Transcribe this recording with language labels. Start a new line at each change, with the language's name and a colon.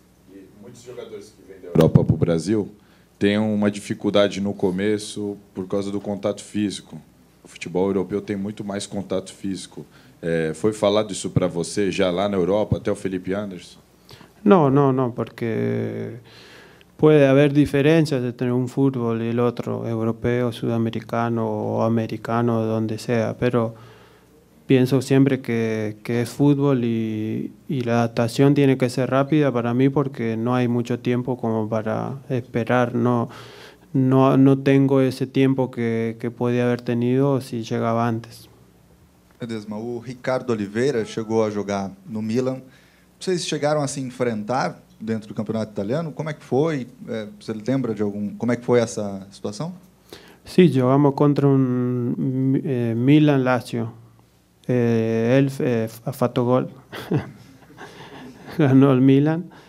Spanish: Y muchos jugadores que vienen de Europa para Brasil tienen una dificultad en el comienzo por causa del contacto físico.
Portuguese: O futebol europeu tem muito mais contato físico. Foi falado isso para você já lá na Europa, até o Felipe Anderson?
Spanish: No, porque puede haber diferencias entre un fútbol y el otro, europeo, sudamericano o americano, donde sea, pero pienso siempre que es fútbol y la adaptación tiene que ser rápida para mí porque no hay mucho tiempo como para esperar. No tengo ese tiempo que podía haber tenido si llegaba antes.
Portuguese: Edesma, o Ricardo Oliveira
Spanish: llegó a jugar
Portuguese: no Milan. Vocês chegaram a se enfrentar dentro do campeonato italiano? Como é que foi? Você lembra de algum? Como é que foi essa situação? Sim, jogamos contra Milan Lazio. Ele fez gol. Ganhou o Milan.